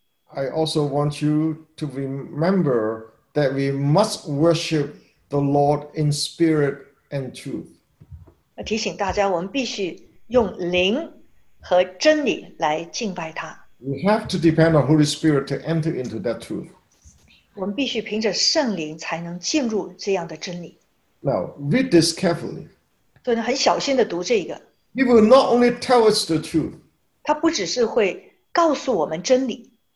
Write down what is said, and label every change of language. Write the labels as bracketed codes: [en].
[en] I also want you to remember that we must worship the Lord in spirit and truth. [zh] 提醒大家我们必须用灵 [en] We have to depend on Holy Spirit to enter into that truth. [zh] 我们必须凭着圣灵才能进入这样的真理。 [en] Now, read this carefully. [zh] 对,很小心地读这个。 [en] He will not only tell us the truth. [zh] 他不只是会告诉我们真理。